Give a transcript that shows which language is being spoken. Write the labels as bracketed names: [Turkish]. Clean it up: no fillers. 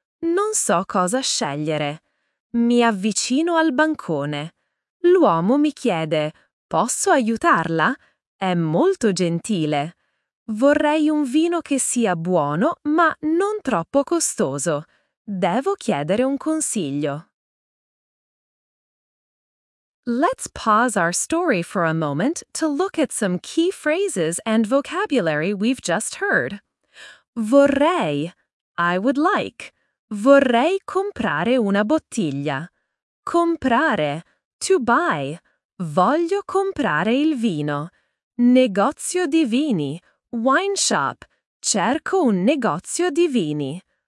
[Italian] Non so cosa scegliere. Mi avvicino al bancone. L'uomo mi chiede, posso aiutarla? È molto gentile. Vorrei un vino che sia buono, ma non troppo costoso. Devo chiedere un consiglio. [English] Let's pause our story for a moment to look at some key phrases and vocabulary we've just heard. [Italian] Vorrei. [English] I would like. [Italian] Vorrei comprare una bottiglia. Comprare. [English] To buy. [Italian] Voglio comprare il vino. Negozio di vini. [English] Wine shop. [Italian] Cerco un negozio di vini.